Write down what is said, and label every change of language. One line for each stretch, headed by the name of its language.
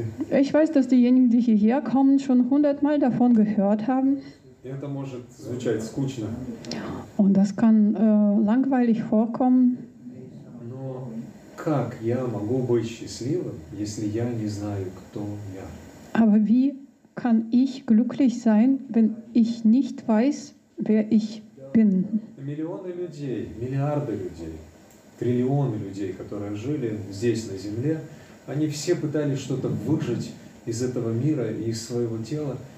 German: Ich weiß, dass diejenigen, die hierher kommen, schon 100 Mal davon gehört haben.
Russian: Это может звучать скучно.
German: Und das kann langweilig vorkommen.
Russian: Но как я могу быть счастливым, если я не знаю, кто я?
German: Aber wie kann ich glücklich sein, wenn ich nicht weiß, wer ich bin?
Russian: Миллионы людей, миллиарды людей, триллионы людей, которые жили здесь на Земле, они все пытались что-то выжить из этого мира и из своего тела.